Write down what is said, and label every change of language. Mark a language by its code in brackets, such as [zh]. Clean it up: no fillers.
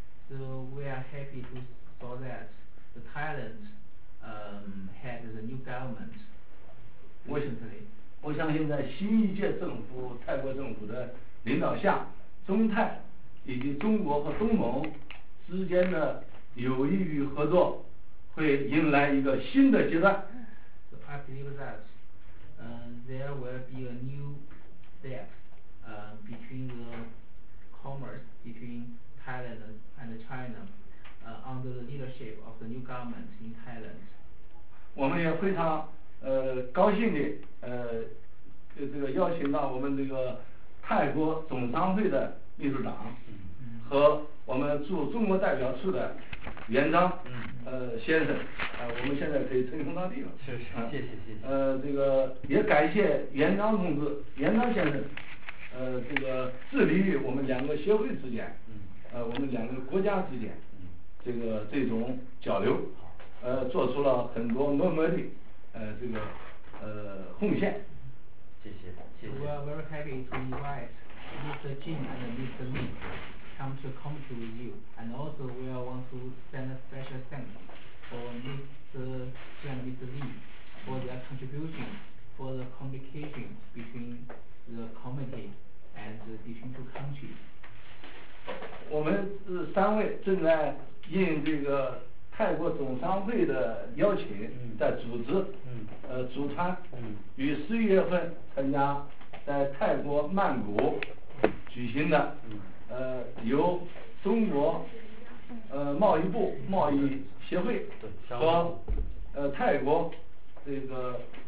[en] So we are happy to saw that the Thailand had the new government recently. [zh] 我相信在新一届政府泰国政府的领导下，中泰以及中国和东盟之间的友谊与合作会迎来一个新的阶段。 [en] So I believe that there will be a new step between the commerce between Thailand and China under the leadership of the new government in Thailand. [zh] 我们也非常高兴地这个邀请到我们这个泰国总商会的秘书长和我们驻中国代表处的袁章先生，我们现在可以称兄道弟了。是是，谢谢谢谢。这个也感谢袁章同志、袁章先生，这个致力于我们两个协会之间，我们两个国家之间，这个这种交流，做出了很多默默的，这个贡献。谢谢。 [en] We are very happy to invite Mr. Jin and Mr. Li come to committee with you. And also, we want to send a special thanks for Mr. Jin and Mr. Li for their contribution for the communications between the committee and between two countries. [zh] 我们三位正在应这个泰国总商会的邀请在组织组团于十一月份参加在泰国曼谷举行的由中国贸易部贸易协会和泰国这个